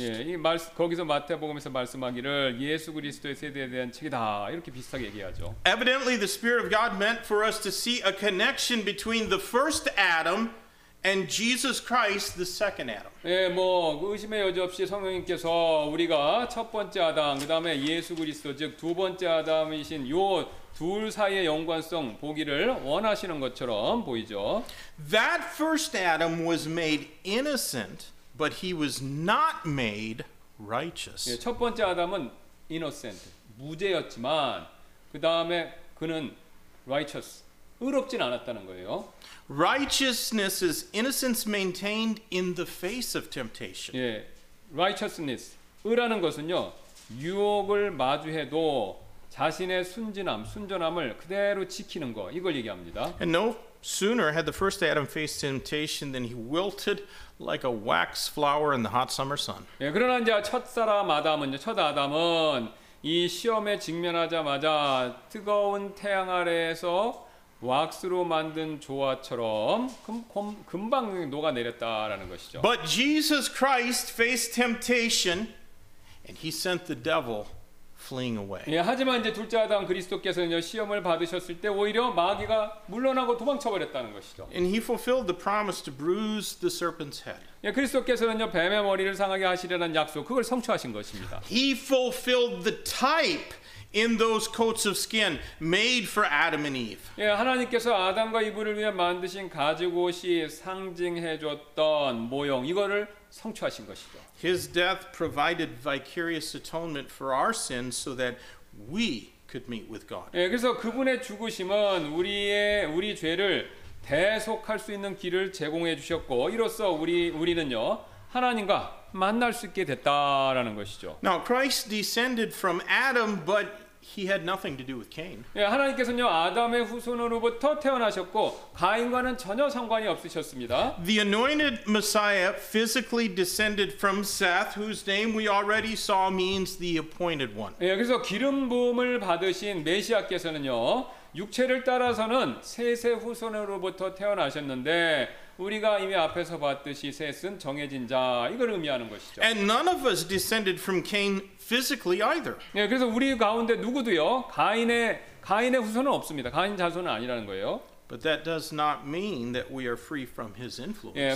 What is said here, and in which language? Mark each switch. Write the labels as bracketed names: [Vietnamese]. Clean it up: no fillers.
[Korean] 예, 거기서 마태복음에서 말씀하기를 예수 그리스도의 세대에 대한 책이다. 이렇게 비슷하게 얘기하죠. [English] Evidently the spirit of God meant for us to see a connection between the first Adam And Jesus Christ, the second Adam. [Korean] 예, 뭐 의심의 여지 없이 성령님께서 우리가 첫 번째 아담, 그 다음에 예수 그리스도, 즉 두 번째 아담이신 요 둘 사이의 연관성 보기를 원하시는 것처럼 보이죠. [English] That first Adam was made innocent, but he was not made righteous. [Korean] 예, 첫 번째 아담은 innocent, 무죄였지만 그 다음에 그는 righteous, 의롭진 않았다는 거예요. [English] Righteousness is innocence maintained in the face of temptation. [Korean] 예, righteousness, 의라는 것은요, 유혹을 마주해도 자신의 순진함, 순전함을 그대로 지키는 거, 이걸 얘기합니다. [English] And no sooner had the first Adam faced temptation than he wilted like a wax flower in the hot summer sun. [Korean] 예, 그러나 이제 첫 사람 아담은요, 첫 아담은 이 시험에 직면하자마자 뜨거운 태양 아래에서 왁스로 만든 조화처럼 금방 녹아내렸다라는 것이죠. [English] But Jesus Christ faced temptation and he sent the devil fleeing away. [Korean] 예, 하지만 이제 둘째 아담 그리스도께서는요, 시험을 받으셨을 때 오히려 마귀가 물러나고 도망쳐 버렸다는 것이죠. [English] And he fulfilled the promise to bruise the serpent's head. [Korean] 예, 그리스도께서는요, 뱀의 머리를 상하게 하시려는 약속, 그걸 성취하신 것입니다. [English] He fulfilled the type in those coats of skin made for Adam and Eve. [Korean] 예, 하나님께서 아담과 이브를 위해 만드신 가죽 옷이 상징해 줬던 모형, 이거를 성취하신 것이죠. [English] His death provided vicarious atonement for our sins so that we could meet with God. [Korean] 예, 그래서 그분의 죽으심은 우리 죄를 대속할 수 있는 길을 제공해 주셨고, 이로써 우리는요, 하나님과 만날 수 있게 됐다라는 것이죠. [English] Now Christ descended from Adam, but he had nothing to do with Cain. [Korean] 예, 하나님께서는요, 아담의 후손으로부터 태어나셨고 가인과는 전혀 상관이 없으셨습니다. [English] The anointed Messiah physically descended from Seth, whose name we already saw means the appointed one. [Korean] 예, 그래서 기름 부음을 받으신 메시아께서는요, 육체를 따라서는 셋의 후손으로부터 태어나셨는데 우리가 이미 앞에서 봤듯이 셋은 정해진 자, 이걸 의미하는 것이죠. [English] And none of us descended from Cain physically either. [Korean] 예, 그래서 우리 가운데 누구도요, 가인의 후손은 없습니다. 가인 자손은 아니라는 거예요. [English] But that does not mean that we are free from his influence.